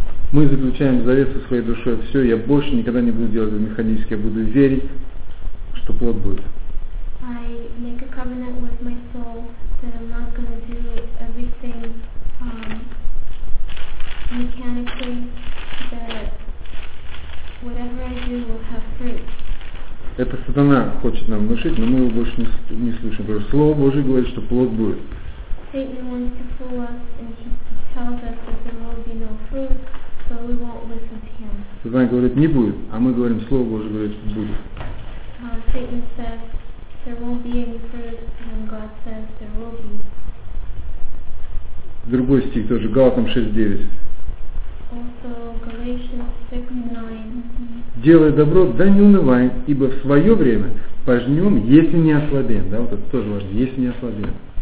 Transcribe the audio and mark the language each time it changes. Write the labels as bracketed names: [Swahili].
[Russian] Мы заключаем завет со своей душой. Все, я больше никогда не буду делать это механически, я буду верить, что плод будет. [English] I make a covenant with my soul that I'm not going to do everything mechanically, that whatever I do will have fruit. [Russian] Это сатана хочет нам внушить, но мы его больше не слышим. Потому что Слово Божие говорит, что плод будет. [English] Satan wants to fool us and he tells us that there will be no fruit, so we won't listen to him. [Russian] Сатана говорит, не будет, а мы говорим, Слово Божие говорит, что будет. [English] Satan says, there won't be any fruit, and God says, there will be. [Russian] Другой стих тоже, Галатам 6:9. [English] Also, Galatians 6:9. [Russian] Делай добро, да не унывай, ибо в свое время пожнем, если не ослабеем. Да, вот это тоже важно, если не ослабеем.